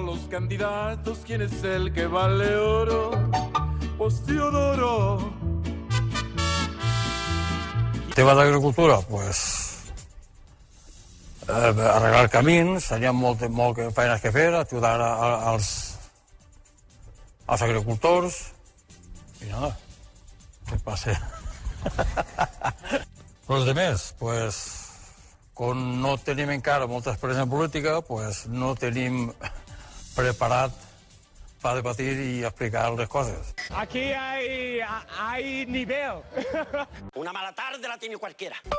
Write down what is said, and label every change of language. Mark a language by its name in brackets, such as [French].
[Spanish] Candidatos, ¿quién es el que vale oro? Pues Teodoro. [Catalan] Tema de agricultura, pues arreglar camins, tenia molt feines que fer, ajudar als agricultors i nada, què passa? Pues de més, pues com no tenim encara molta experiència en política, pues no tenim preparat per debatir i explicar les coses. [Spanish] Aquí hay nivel. Una mala tarde la tiene cualquiera.